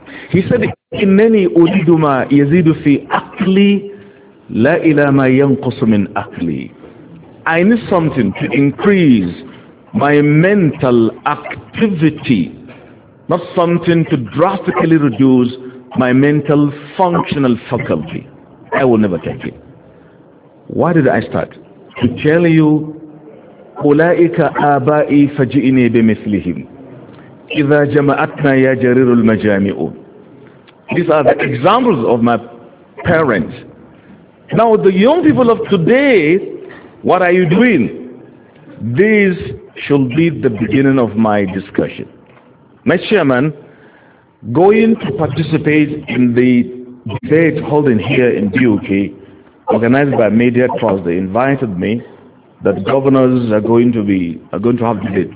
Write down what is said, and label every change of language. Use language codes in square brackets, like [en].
[en] He said, [ar] innani uridu ma yazidu fi akli la ila ma yanqusu min akli. [en] I need something to increase my mental activity, not something to drastically reduce my mental functional faculty. I will never take it. Why did I start? To tell you, [ar] أُولَٰئِكَ آبَائِي فَجِئِنِي بِمِثْلِهِمْ إِذَا جَمَعَتْنَا يَا جَرِيرُ الْمَجَامِعُ. [en] These are the examples of my parents. Now, the young people of today, what are you doing? This should be the beginning of my discussion. My chairman, going to participate in the debate holding here in DUK, organized by Media Trust, they invited me that governors are going to have debate.